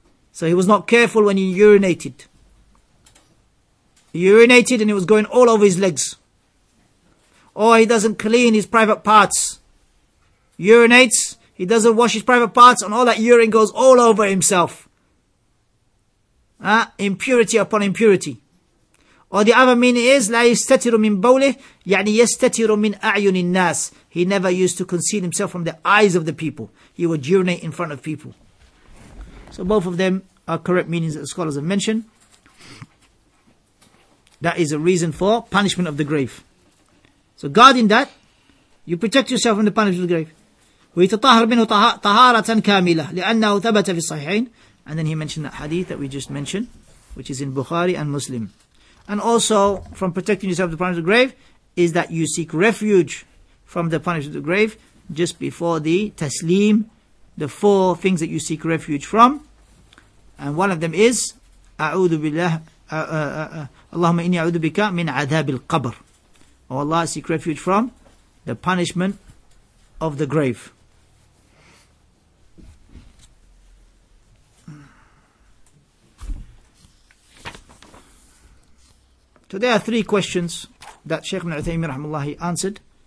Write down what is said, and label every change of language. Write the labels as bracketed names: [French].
[English] So he was not careful when he urinated. He urinated and it was going all over his legs. Or he doesn't clean his private parts. Urinates, he doesn't wash his private parts, and all that urine goes all over himself. Impurity upon impurity. Or the other meaning is, [Arabic] لا يستتر من بوله يعني يستتر من أعين الناس. [English] He never used to conceal himself from the eyes of the people. He would urinate in front of people. So both of them are correct meanings that the scholars have mentioned. That is a reason for punishment of the grave. So guarding that, you protect yourself from the punishment of the grave. [Arabic] ويتطهر منه طهارة كاملة لأنه ثبت في الصحيحين. [English] And then he mentioned that hadith that we just mentioned, which is in Bukhari and Muslim. And also, from protecting yourself from the punishment of the grave, is that you seek refuge from the punishment of the grave just before the taslim, the four things that you seek refuge from. And one of them is, [Arabic] أعوذ بالله, اللهم إني أعوذ بك من عذاب القبر. [English] Oh Allah, I seek refuge from the punishment of the grave. So there are three questions that Shaykh ibn Uthaymeen rahimahullah answered.